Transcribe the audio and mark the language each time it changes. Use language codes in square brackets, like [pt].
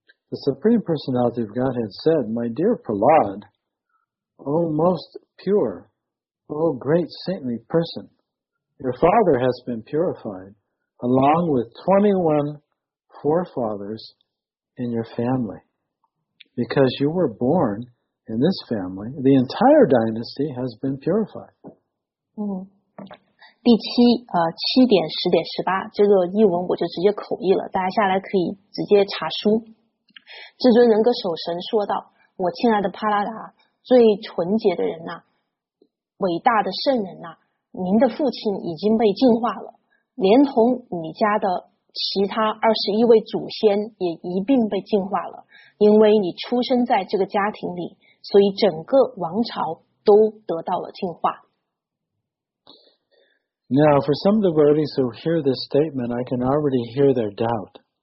[en] The Supreme Personality of Godhead said, My dear Prahlad, O most pure, O great saintly person, your father has been purified along with 21 forefathers in your family. Because you were born in this family, the entire dynasty has been purified. [zh] 第七七点十点十八这个译文我就直接口译了，大家下来可以直接查书。至尊人格守神说道：“我亲爱的帕拉达，最纯洁的人呐，伟大的圣人呐，您的父亲已经被净化了，连同你家的。” 其他21位祖先也一并被净化了，因为你出生在这个家庭里，所以整个王朝都得到了净化。 [en] Now, for some devotees who hear this statement, I can already hear their doubt.